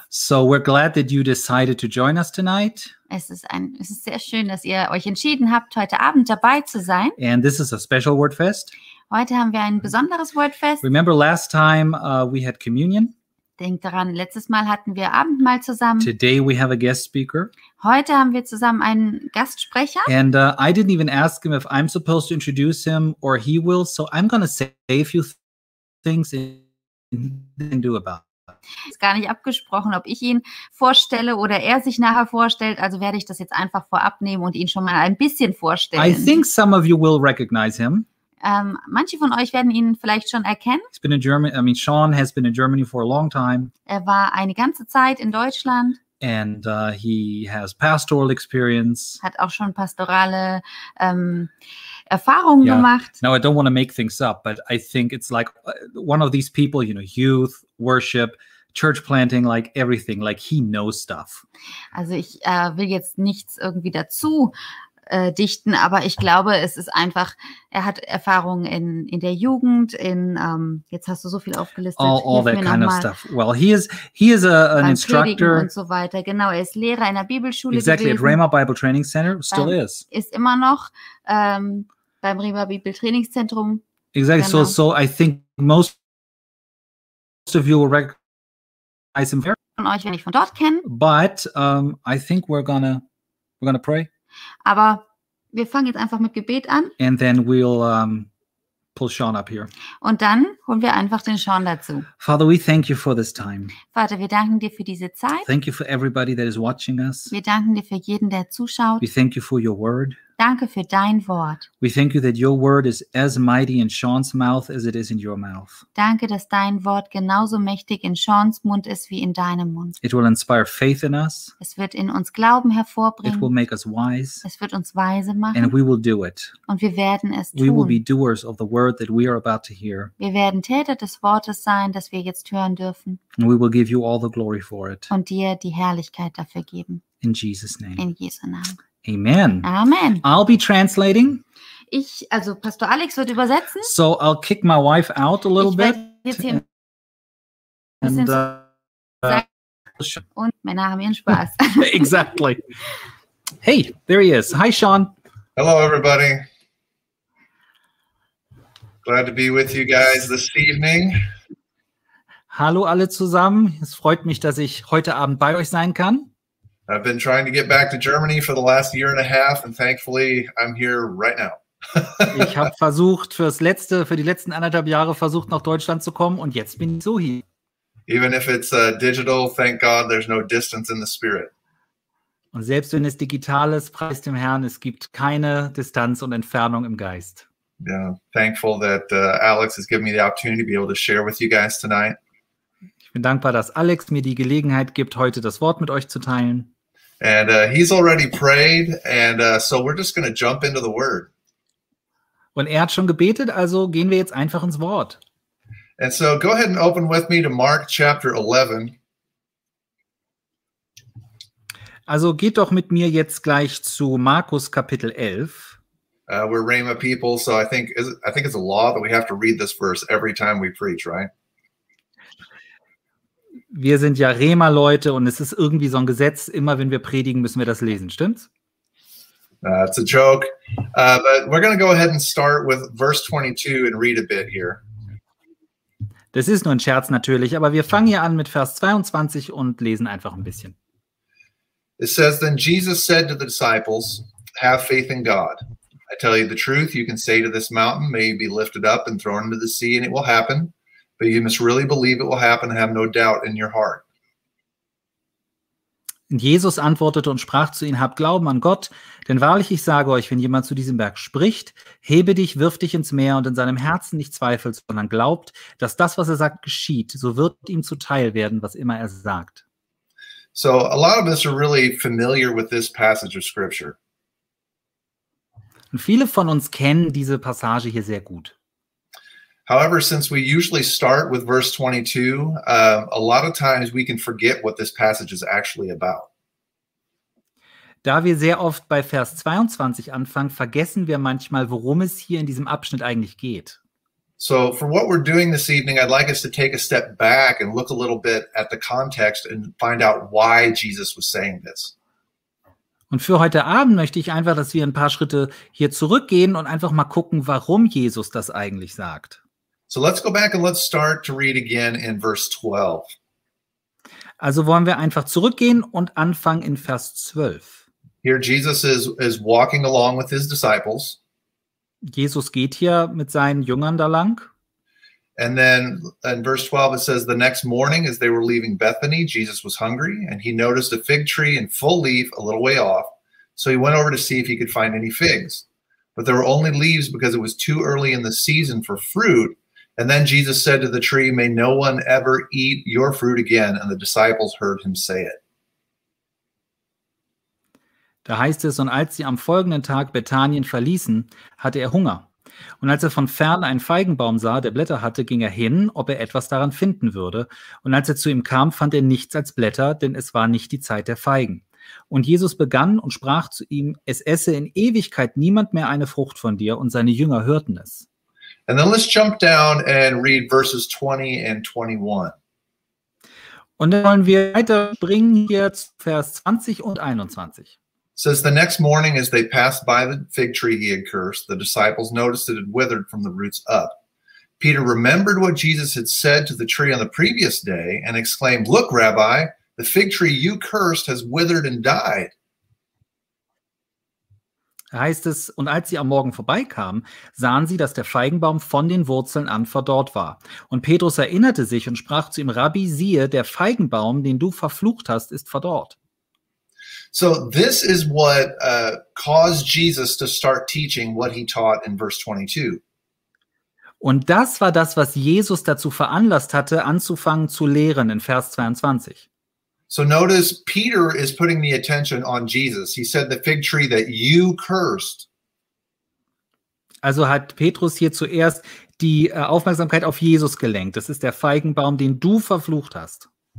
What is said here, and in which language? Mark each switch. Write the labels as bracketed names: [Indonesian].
[English] So we're glad that you decided to join us tonight. [German] Es ist sehr schön, dass ihr euch entschieden habt, heute Abend dabei zu sein. [English] And this is a special word fest. [German] Heute haben wir ein besonderes Wordfest. [English] Remember last time we had communion? [German] Denkt daran, letztes Mal hatten wir Abendmahl zusammen. [English] Today we have a guest speaker. [German] Heute haben wir zusammen einen Gastsprecher. [English] And I didn't even ask him if I'm supposed to introduce him or he will, so I'm going to say a few things and then do about it. [German] Ist gar nicht abgesprochen, ob ich ihn vorstelle oder er sich nachher vorstellt, also werde ich das jetzt einfach vorab nehmen und ihn schon mal ein bisschen vorstellen. [English] I think some of you will recognize him. [German] Manche von euch werden ihn vielleicht schon erkennen. [English] He's been in Germany, I mean, Sean has been in Germany for a long time. [German] Er war eine ganze Zeit in Deutschland. [English] And he has pastoral experience. [German] Hat auch schon pastorale Erfahrungen gemacht. [English] Now, I don't want to make things up, but I think it's like one of these people, you know, youth, worship, church planting, like everything, like he knows stuff. [German] Also ich will jetzt nichts irgendwie dazu dichten, aber ich glaube, es ist einfach, er hat Erfahrungen in der Jugend, in, jetzt hast du so viel aufgelistet. [English] All that kind of stuff. Well, he is an instructor. [German] Und so weiter. Genau, er ist Lehrer in der Bibelschule gewesen. [English] Exactly, at Rhema Bible Training Center, still is. [German] Ist immer noch beim Rhema Bibel Trainingszentrum. [English] Exactly, [German] genau. [English] So I think most of you will recognize him very. [German] Von euch, wenn ich von dort kenne. [English] But I think we're gonna pray. [German] Aber wir fangen jetzt einfach mit Gebet an. [English] And then we'll pull Sean up here. [German] Und dann holen wir einfach den Sean dazu. [English] Father, we thank you for this time. [German] Vater, wir danken dir für diese Zeit. [English] Thank you for everybody that is watching us. [German] Wir danken dir für jeden, der zuschaut. [English] We thank you for your word. [German] Danke für dein Wort. [English] We thank you that your word is as mighty in Sean's mouth as it is in your mouth. [German] Danke, dass dein Wort genauso mächtig in Sean's Mund ist wie in deinem Mund. [English] It will inspire faith in us. [German] Es wird in uns Glauben hervorbringen. [English] It will make us wise. [German] Es wird uns weise machen. [English] And we will do it. [German] Und wir werden es tun. [English] We will be doers of the word that we are about to hear. [German] Wir werden Täter des Wortes sein, das wir jetzt hören dürfen. [English] And we will give you all the glory for it. [German] Und dir die Herrlichkeit dafür geben. [English] In Jesus' name. [German] In Jesu Namen. [English] Amen. [German] Amen. [English] I'll be translating. [German] Ich, also Pastor Alex wird übersetzen. [English] So I'll kick my wife out a little bit. [German] Jetzt hier and, und Männer haben ihren Spaß. [English] Exactly. Hey, there he is. Hi, Sean. Hello, everybody. Glad to be with you guys this evening. [German] Hallo alle zusammen. Es freut mich, dass ich heute Abend bei euch sein kann. [English] I've been trying to get back to Germany for the last year and a half, and thankfully I'm here right now. [German] Ich habe versucht für die letzten anderthalb Jahre versucht nach Deutschland zu kommen und jetzt bin ich so hier. [English] Even if it's digital, thank God there's no distance in the spirit. [German] Und selbst wenn es digital ist, preist dem Herrn, es gibt keine Distanz und Entfernung im Geist. [English] Yeah, thankful that Alex has given me the opportunity to be able to share with you guys tonight. [German] Ich bin dankbar, dass Alex mir die Gelegenheit gibt, heute das Wort mit euch zu teilen. [English] And he's already prayed, and so we're just going to jump into the Word. [German] Und er hat schon gebetet, also gehen wir jetzt einfach ins Wort. [English] And so go ahead and open with me to Mark chapter 11. [German] Also geht doch mit mir jetzt gleich zu Markus Kapitel 11. [English] We're Rhema people, so I think it's a law that we have to read this verse every time we preach, right? [German] Wir sind ja Rhema-Leute und es ist irgendwie so ein Gesetz, immer wenn wir predigen, müssen wir das lesen, stimmt's? [English] It's a joke. But we're going to go ahead and start with verse 22 and read a bit here. [German] Das ist nur ein Scherz natürlich, aber wir fangen hier an mit Vers 22 und lesen einfach ein bisschen. [English] It says, then Jesus said to the disciples, have faith in God. I tell you the truth, you can say to this mountain, may you be lifted up and thrown into the sea and it will happen. But you must really believe it will happen and have no doubt in your heart. [German] Und Jesus antwortete und sprach zu ihnen, habt Glauben an Gott, denn wahrlich, ich sage euch, wenn jemand zu diesem Berg spricht, hebe dich, wirf dich ins Meer und in seinem Herzen nicht zweifelt, sondern glaubt, dass das, was er sagt, geschieht, so wird ihm zuteil werden, was immer er sagt. [English] So a lot of us are really familiar with this passage of scripture. [German] Und viele von uns kennen diese Passage hier sehr gut. [English] However, since we usually start with verse 22, a lot of times we can forget what this passage is actually about. [German] Da wir sehr oft bei Vers 22 anfangen, vergessen wir manchmal, worum es hier in diesem Abschnitt eigentlich geht. [English] So for what we're doing this evening, I'd like us to take a step back and look a little bit at the context and find out why Jesus was saying this. [German] Und für heute Abend möchte ich einfach, dass wir ein paar Schritte hier zurückgehen und einfach mal gucken, warum Jesus das eigentlich sagt. [English] So let's go back and let's start to read again in verse 12. [German] Also wollen wir einfach zurückgehen und anfangen in Vers 12. [English] Here Jesus is walking along with his disciples. [German] Jesus geht hier mit seinen Jüngern da lang. [English] And then in verse 12 it says, the next morning as they were leaving Bethany, Jesus was hungry and he noticed a fig tree in full leaf a little way off. So he went over to see if he could find any figs. But there were only leaves because it was too early in the season for fruit. And then Jesus said to the tree, may no one ever eat your fruit again. And the disciples heard him say it. [German] Da heißt es, und als sie am folgenden Tag Bethanien verließen, hatte er Hunger. Und als er von fern einen Feigenbaum sah, der Blätter hatte, ging er hin, ob er etwas daran finden würde. Und als er zu ihm kam, fand er nichts als Blätter, denn es war nicht die Zeit der Feigen. Und Jesus begann und sprach zu ihm, es esse in Ewigkeit niemand mehr eine Frucht von dir. Und seine Jünger hörten es. [English] And then let's jump down and read verses 20 and 21. [German] Und dann wollen wir weiterbringen hier zu Vers 20 und 21. [English] Says the next morning as they passed by the fig tree he had cursed, the disciples noticed it had withered from the roots up. Peter remembered what Jesus had said to the tree on the previous day and exclaimed, look, Rabbi, the fig tree you cursed has withered and died. [German] Heißt es, und als sie am Morgen vorbeikamen, sahen sie, dass der Feigenbaum von den Wurzeln an verdorrt war. Und Petrus erinnerte sich und sprach zu ihm, Rabbi, siehe, der Feigenbaum, den du verflucht hast, ist verdorrt. [English] So this is what caused Jesus to start teaching what he taught in verse 22. [German] Und das war das, was Jesus dazu veranlasst hatte, anzufangen zu lehren in Vers 22. [English] So notice Peter is putting the attention on Jesus. He said the fig tree that you cursed. [German] Also hat Petrus hier zuerst die Aufmerksamkeit auf Jesus gelenkt. Das ist der Feigenbaum, den du verflucht hast.